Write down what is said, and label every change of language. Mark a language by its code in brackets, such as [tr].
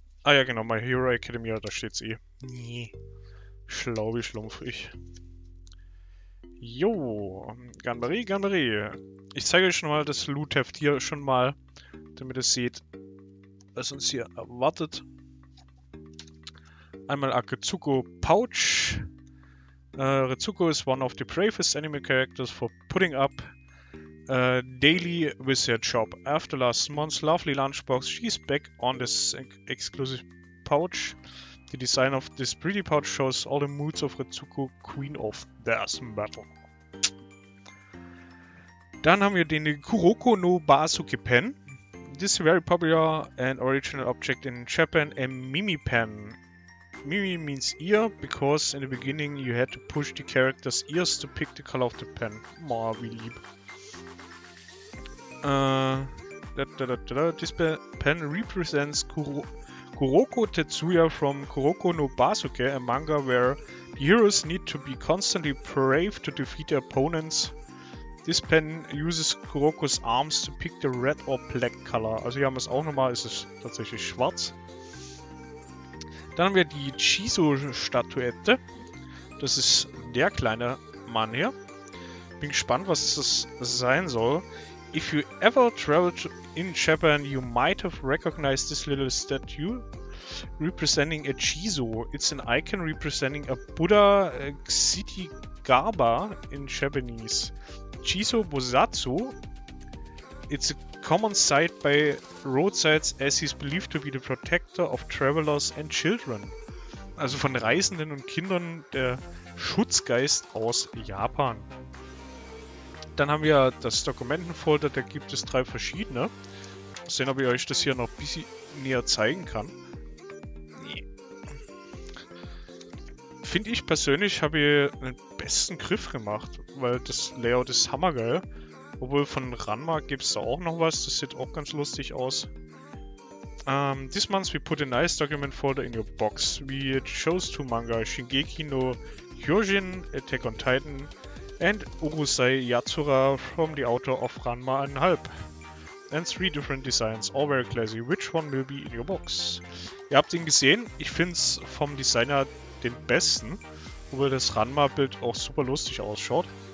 [de] Ah ja, genau, My Hero Academia, da steht's eh. Nee. Schlau wie schlumpfig. Jo, Ganbare. Ich zeige euch schon mal das Loot-Heft hier schon mal, damit ihr seht, was uns hier erwartet. Einmal Akatsuko Pouch. [en] Retsuko is one of the bravest anime characters for putting up daily with her job. After last month's lovely lunchbox, she's back on this exclusive pouch. The design of this pretty pouch shows all the moods of Retsuko, Queen of Death Metal. [de] Dann haben wir den Kuroko no Bazuki Pen. [en] This very popular and original object in Japan, a Mimi Pen. Mimi means ear, because in the beginning you had to push the character's ears to pick the color of the pen. [de] Ma, wie lieb. [en] This pen represents Kuroko Tetsuya from Kuroko no Basuke, a manga where the heroes need to be constantly brave to defeat their opponents. This pen uses Kurokos arms to pick the red or black color. [de] Also hier haben wir es auch nochmal, es ist tatsächlich schwarz. Dann haben wir die Chizo-Statuette. Das ist der kleine Mann hier. Bin gespannt, was das sein soll. [en] If you ever traveled in Japan, you might have recognized this little statue representing a Chizo. It's an icon representing a Buddha, Xitigaba in Japanese. Chizo Bosatsu. It's a common sight by roadsides as he's believed to be the protector of travelers and children. [de] Also von Reisenden und Kindern der Schutzgeist aus Japan. Dann haben wir das Dokumentenfolder, da gibt es drei verschiedene. Mal sehen, ob ich euch das hier noch ein bisschen näher zeigen kann. Finde ich persönlich, habe ich einen besten Griff gemacht, weil das Layout ist hammergeil. Obwohl von Ranma gibt es da auch noch was, das sieht auch ganz lustig aus. [en] This month we put a nice document folder in your box. We chose two manga, Shingeki no Kyojin, Attack on Titan and Urusei Yatsura from the author of Ranma 1/2. And three different designs, all very classy. Which one will be in your box? [de] Ihr habt ihn gesehen, ich finde es vom Designer den besten, obwohl das Ranma-Bild auch super lustig ausschaut.